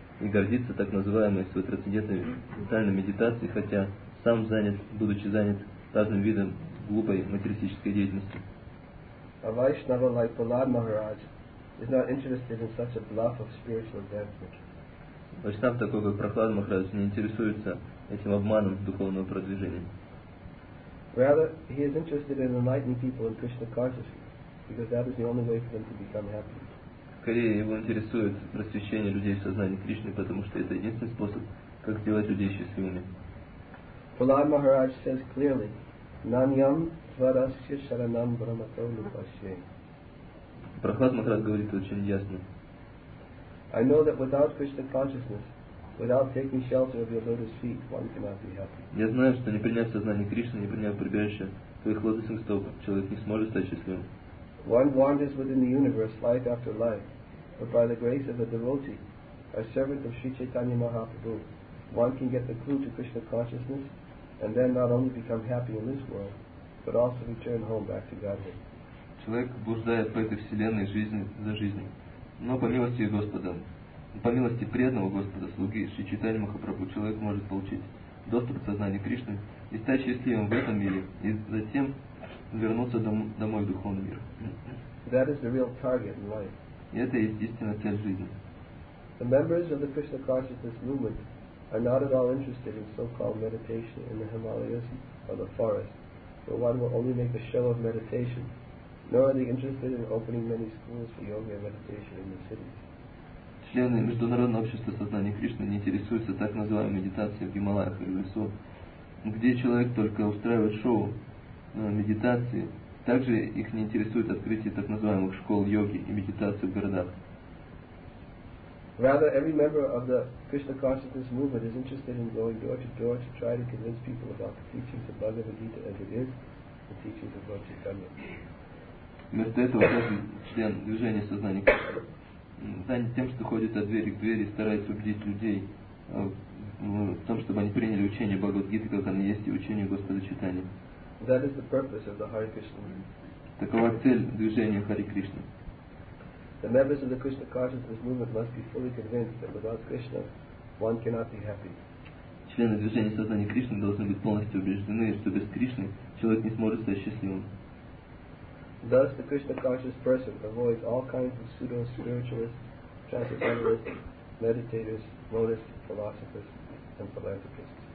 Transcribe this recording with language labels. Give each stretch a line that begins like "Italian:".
Russian: и гордится так называемой своей трансцендентной ментальной медитацией, хотя сам занят, будучи занят разным видом глупой материалистической деятельности.
English: A Vaishnava like Prahlad Maharaj is not interested in such a bluff of spiritual advancement.
Russian: Вайшнав такой, как Прохлад Махарадж, не интересуется этим обманом духовного продвижения.
English: Rather, he is interested in enlightening people in Krishna consciousness, because that is the only way for them to become happy.
Russian: Скорее его интересует просвещение людей в сознании Кришны, потому что это единственный способ, как сделать людей счастливыми.
English: Prahlad Maharaj says clearly,
Sanskrit: Nanyam Tvarasya Sharanam Brahmato Lupashe.
Russian: Прохлад Махарадж говорит очень ясно.
English: I know that without Krishna consciousness, without taking shelter of your lotus feet, one cannot be happy.
Russian: Я знаю, что не приняв сознание Кришны, не приняв прибежище твоих лотосных стоп, человек не сможет стать счастливым.
English: One wanders within the universe life after life, but by the grace of a devotee, a servant of Sri Chaitanya Mahaprabhu, one can get the clue to Krishna consciousness, and then not only become happy in this world, but also return home back to Godhead.
Russian: Человек блуждает по этой вселенной жизни за жизнью. Но по милости Господа, по милости преданного Господа, слуги Шри Чайтанья Махапрабху, человек может получить доступ к сознанию Кришны и стать счастливым в этом мире, и затем вернуться домой в духовный мир.
English: That is the real target in life.
Russian: И это единственная цель жизни.
English: The members of the Krishna consciousness movement are not at all interested in so-called meditation in the Himalayas or the forest, where one will only make a show of meditation. Nor are they interested in opening many schools for yoga and meditation in the cities.
Russian: Члены международного общества сознания Кришны не интересуются так называемой медитацией в Гималаях или в лесу, где человек только устраивает шоу медитации. Также их не интересует открытие так называемых школ йоги и медитации в городах.
English: Rather, every member of the Krishna consciousness movement is interested in going door to door to try to convince people about the teachings of Bhagavad Gita as it is, the teachings of Lord Chaitanya.
Russian: Вместо этого каждый член движения сознания занят тем, что ходит от двери к двери и старается убедить людей в том, чтобы они приняли учение Бхагавад-гиты, как оно есть, и учение Господа Чайтаньи.
English: That is the purpose of the Hare Krishna.
Russian: Такова цель движения Хари Кришны.
English: The members of the Krishna consciousness movement must be fully convinced that without Krishna, one cannot be happy.
Russian: Члены движения сознания Кришны должны быть полностью убеждены, что без Кришны человек не сможет стать счастливым.
English: Thus, the Krishna conscious person avoids all kinds of pseudo spiritualists, transcendentalists, meditators, monists, philosophers, and philanthropists.